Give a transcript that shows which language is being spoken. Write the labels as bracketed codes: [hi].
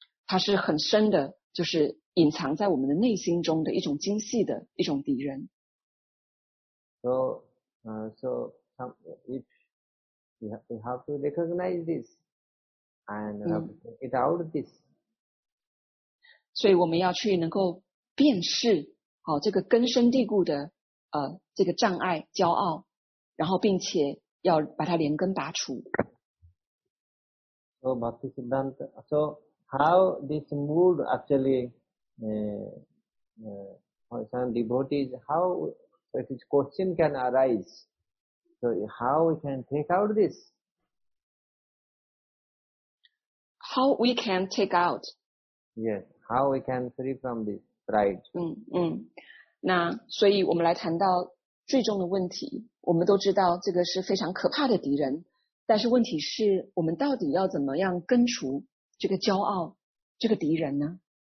[zh] 它是很深的，就是隐藏在我们的内心中的一种精细的一种敌人。 [en] So, if we have to recognize this and have to take it out of this. [zh] 所以我们要去能够辨识，这个根深蒂固的这个障碍、骄傲，然后并且要把它连根拔除。 [en] So, Bhakti Siddhanta, so how this mood actually, for some devotees, how if this question can arise, so how we can take out this? How we can take out？ Yes, how we can free from this pride? [zh] 那所以我们来谈到最终的问题。我们都知道这个是非常可怕的敌人，但是问题是我们到底要怎么样根除这个骄傲，这个敌人呢？